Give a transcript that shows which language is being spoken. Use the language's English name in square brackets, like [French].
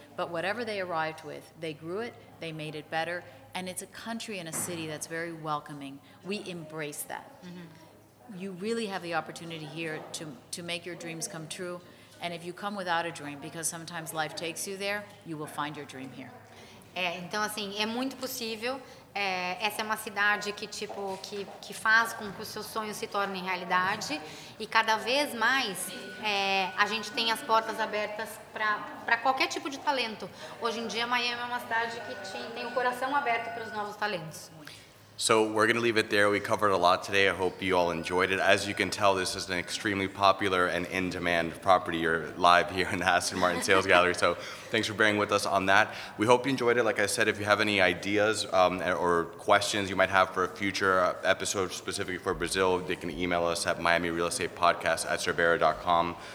[English] But whatever they arrived with, they grew it, they made it better, and it's a country and a city that's very welcoming. We embrace that. Mm-hmm. You really have the opportunity here to make your dreams come true, and if you come without a dream, because sometimes life takes you there, you will find your dream here. [Portuguese] Então assim, é muito possível. Essa é uma cidade que, tipo, que faz com que os seus sonhos se tornem realidade. E cada vez mais a gente tem as portas abertas para qualquer tipo de talento. Hoje em dia, Miami é uma cidade que tem o coração aberto para os novos talentos. [English] So we're going to leave it there. We covered a lot today. I hope you all enjoyed it. As you can tell, this is an extremely popular and in-demand property. You're live here in the Aston Martin Sales Gallery. So thanks for bearing with us on that. We hope you enjoyed it. Like I said, if you have any ideas or questions you might have for a future episode specifically for Brazil, they can email us at miamirealestatepodcast@cervera.com.